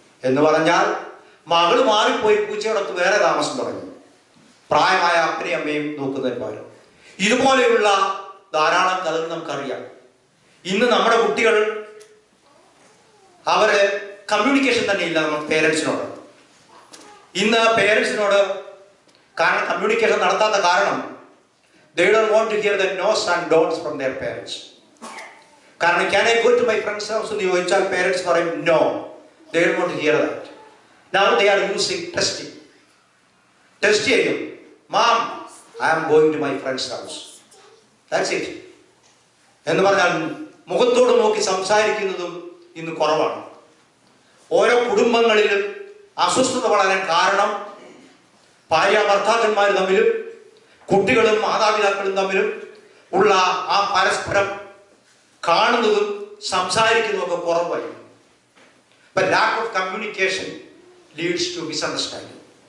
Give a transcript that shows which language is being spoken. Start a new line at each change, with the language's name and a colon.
Malayalam: എന്ന് പറഞ്ഞാൽ മകൾ മാറിപ്പോയി പൂച്ചയോടൊത്ത് വേറെ താമസം തുടങ്ങി, പ്രായമായ അപ്പനെയും അമ്മയും നോക്കുന്നതിന് പകരം. ഇതുപോലെയുള്ള ധാരാളം കഥകൾ നമുക്കറിയാം. ഇന്ന് നമ്മുടെ കുട്ടികൾ അവര് കമ്മ്യൂണിക്കേഷൻ തന്നെ ഇല്ല നമ്മുടെ പേരൻസിനോട്. ഇന്ന് പേരൻസിനോട് കാരണം കമ്മ്യൂണിക്കേഷൻ നടത്താത്ത കാരണം
English: they don't want to hear the no's and don'ts from their parents. കാരണം can I go to my friend's house
Malayalam: എന്ന് ചോദിച്ചാൽ പേരൻസ് പറയും
English: no, they don't want to hear that. Now they are using testing. Test ചെയ്യും, mom I am going to my friend's house, that's it എന്ന് പറഞ്ഞാൽ
Malayalam: മുഖത്തോട് നോക്കി സംസാരിക്കുന്നതും ഇന്ന് കുറവാണ്. ഓരോ കുടുംബങ്ങളിലും അസ്വസ്ഥത വളരാൻ കാരണം ഭാര്യ ഭർത്താക്കന്മാർ തമ്മിലും കുട്ടികളും മാതാപിതാക്കളും തമ്മിലും ഉള്ള ആ പരസ്പരം കാണുന്നതും സംസാരിക്കുന്നതൊക്കെ കുറവായിരുന്നു.
English: ഇപ്പൊ lack of communication leads to misunderstanding.